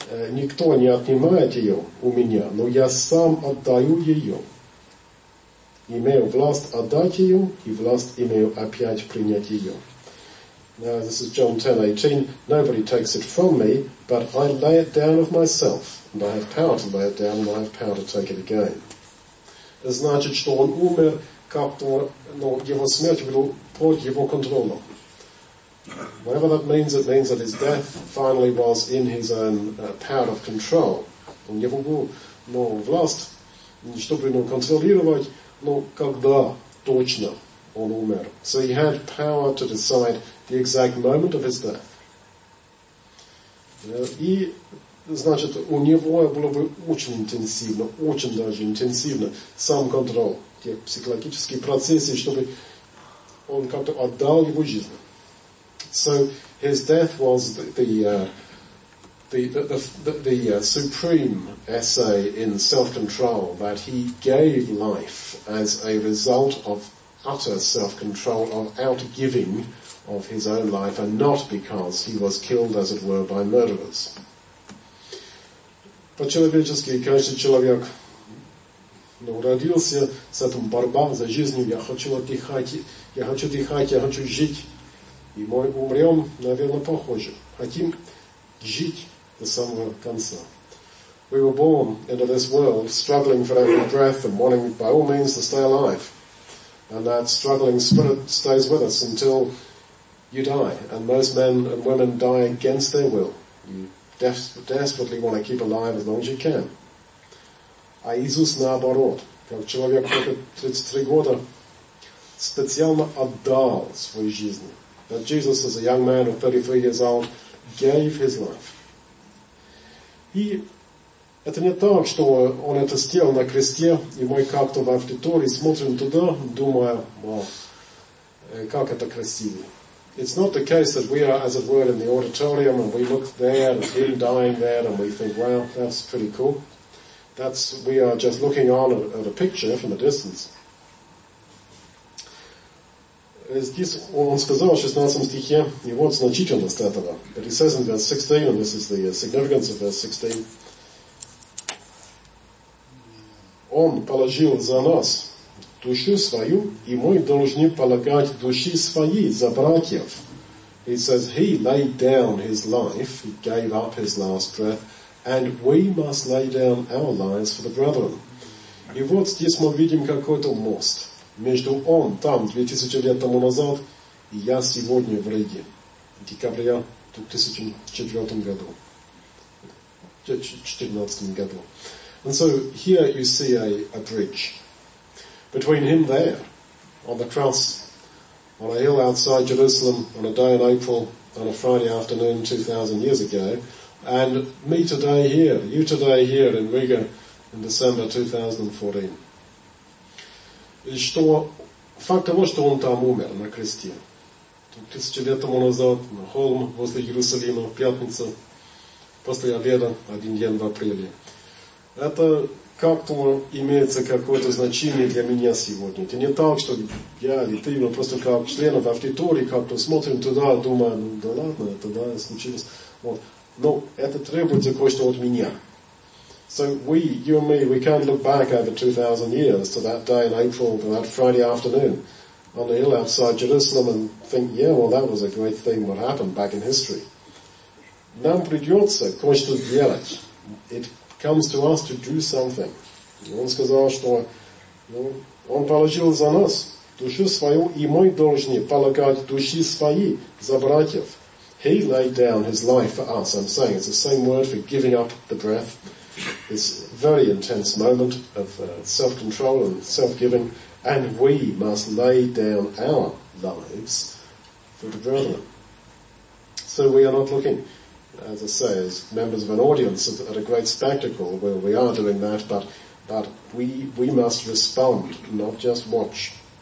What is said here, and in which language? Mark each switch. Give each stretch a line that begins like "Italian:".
Russian: Никто не отнимает ее у меня, но я сам отдаю ее. Имею власть отдать ее, и власть имею опять принять ее.
English: Now, this is John 10:18. Nobody takes it from me, but I lay it down of myself, and I have power to lay it down, and I have power to take it again.
Russian: Это значит, что он умер, его смерть была под его контролем.
English: Whatever that means, it means that his death finally was in his own power of control.
Russian: У него была, власть, чтобы его контролировать, но когда точно он умер.
English: So he had power to decide the exact moment of his death.
Russian: И, значит, у него было бы очень интенсивно, очень даже интенсивно, сам контрол, те психологические процессы, чтобы он как-то отдал его жизнь.
English: So his death was the supreme essay in self-control, that he gave life as a result of utter self-control, of outgiving of his own life, and not because he was killed, as it were, by murderers.
Russian: По-человечески, конечно, человек родился с этим борьба за жизнью. Я хочу отдыхать, я хочу дыхать, я хочу жить. И мы умрем, наверное, похоже. Хотим жить до самого конца.
English: We were born into this world, struggling for every breath and wanting by all means to stay alive. And that struggling spirit stays with us until you die. And most men and women die against their will. You desperately want to keep alive as long as you can.
Russian: А Иисус, наоборот, как человек, который 33 года, специально отдал свою жизнь.
English: That Jesus, as a young man of 33 years old, gave his life.
Russian: И это не так, что он это сделал на кресте, и мы как-то в аудитории смотрим туда, думая, как это красиво.
English: It's not the case that we are, as it were, in the auditorium, and we look there, and him dying there, and we think, wow, that's pretty cool. We are just looking on at a picture from a distance.
Russian: Здесь он сказал в 16 стихе, и вот значительность этого.
English: But he says in verse 16, and this is the significance of verse 16,
Russian: он положил за нас душу свою, и мы должны полагать души свои за братьев.
English: He says he laid down his life, he gave up his last breath, and we must lay down our lives for the brethren.
Russian: И вот здесь мы видим какой-то мост между он там 2000 лет тому назад и я сегодня в Риге, декабря 2004 году, 2014 году.
English: And so here you see a bridge between him there on the cross on a hill outside Jerusalem on a day in April on a Friday afternoon 2000 years ago and me today here, you today here in Riga in December 2014.
Russian: И что факт того, что он там умер на кресте 2000 лет тому назад на холм возле Иерусалима в пятницу после обеда один день в апреле. Это как-то имеется какое-то значение для меня сегодня. Это не так, что я или ты, мы просто как членов аудитории как-то смотрим туда, думаем, ну да ладно, это да, случилось. Вот. Но это требуется кое-что от меня.
English: So we, you and me, we can't look back over 2,000 years to that day in April, to that Friday afternoon on the hill outside Jerusalem and think, yeah, well, that was a great thing what happened back in history.
Russian: Нам придется кое-что делать.
English: It comes to us to do something.
Russian: Он сказал, что ну, он положил за нас душу свою, и мы должны полагать души свои за братьев.
English: He laid down his life for us, I'm saying. It's the same word for giving up the breath. It's a very intense moment of self-control and self-giving. And we must lay down our lives for the brethren. So we are not looking, as I say, as members of an audience at a great spectacle where we are doing that, but we must respond, not just watch.